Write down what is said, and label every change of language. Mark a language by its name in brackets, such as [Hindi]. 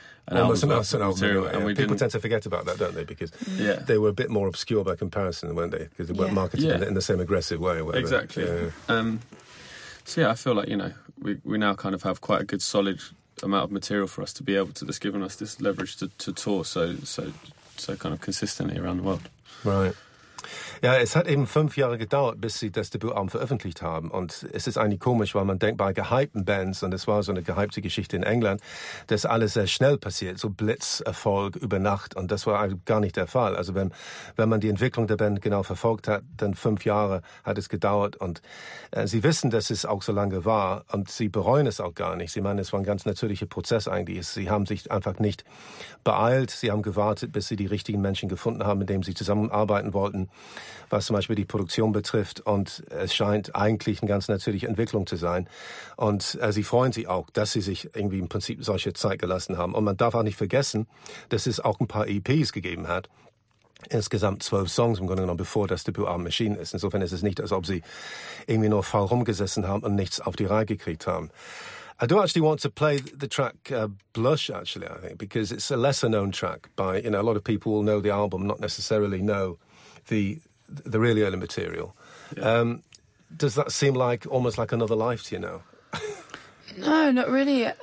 [English] People tend to forget about that, don't they? Because they were a bit more obscure by comparison, weren't they? Because they weren't marketed in the same aggressive way. Whatever. Exactly. I feel like, you know, we now kind of have quite a good solid amount of material for us to be able to, that's given us this leverage to tour so kind of consistently around the world. Right. [German] Ja, es hat eben 5 Jahre gedauert, bis sie das Debütalbum veröffentlicht haben. Und es ist eigentlich komisch, weil man denkt bei gehypten Bands, und es war so eine gehypte Geschichte in England, dass alles sehr schnell passiert, so Blitzerfolg über Nacht. Und das war eigentlich gar nicht der Fall. Also wenn man die Entwicklung der Band genau verfolgt hat, dann 5 Jahre hat es gedauert. Und sie wissen, dass es auch so lange war. Und sie bereuen es auch gar nicht. Sie meinen, es war ein ganz natürlicher Prozess eigentlich. Sie haben sich einfach nicht beeilt. Sie haben gewartet, bis sie die richtigen Menschen gefunden haben, mit denen sie zusammenarbeiten wollten. Was zum Beispiel die Produktion betrifft, und es scheint eigentlich eine ganz natürliche Entwicklung zu sein. Und sie freuen sich auch, dass sie sich irgendwie im Prinzip solche Zeit gelassen haben. Und man darf auch nicht vergessen, dass es auch ein paar EPs gegeben hat. Insgesamt 12 Songs im Grunde genommen, bevor das Debütalbum erschienen ist. Insofern ist es nicht, als ob sie irgendwie nur faul rumgesessen haben und nichts auf die Reihe gekriegt haben. [English] I do actually want to play the track Blush, actually, I think, because it's a lesser known track by, you know, a lot of people will know the album, not necessarily know the really early material. Yeah. Does that seem like almost like another life to you now? No, not really.